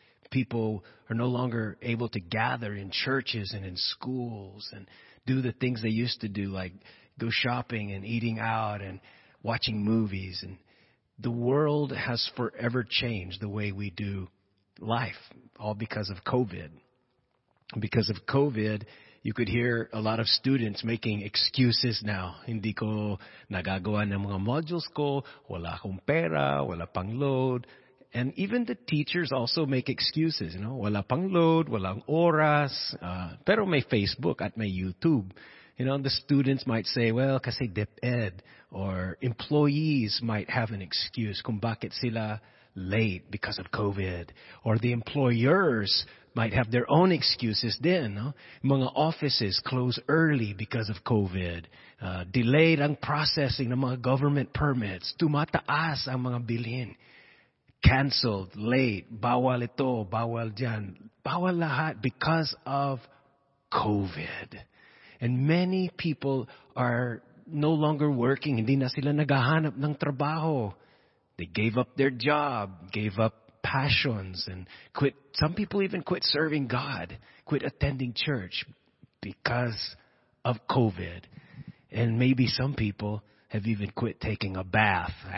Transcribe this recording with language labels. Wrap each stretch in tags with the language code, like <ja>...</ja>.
<en>People are no longer able to gather in churches and in schools and do the things they used to do, like go shopping and eating out and watching movies. And the world has forever changed the way we do life, all because of COVID. Because of COVID, you could hear a lot of students making excuses now.</en> <tl>Hindi ko nagagawa ng mga modules ko, wala akong pera, wala pang load.</tl> <en>And even the teachers also make excuses, you know,</en> <tl>wala pang load, wala ang oras, pero may Facebook at may YouTube.</tl> <en>You know, the students might say, well,</en> <tl>kasi DepEd,</tl> <en>or employees might have an excuse</en> <tl>kung bakit sila late</tl> <en>because of COVID. Or the employers might have their own excuses din, no? Mga offices close early because of COVID.</en> <tl>Delayed ang processing ng mga government permits. Tumataas ang mga bilhin.</tl> <en>Canceled, late,</en> <tl>bawal ito, bawal dyan. Bawal lahat</tl> <en>because of COVID. And many people are no longer working.</en> <tl>Hindi na sila naghahanap ng trabaho.</tl> <en>They gave up their job, gave up passions, and quit. Some people even quit serving God, quit attending church because of COVID. And maybe some people have even quit taking a bath.</en>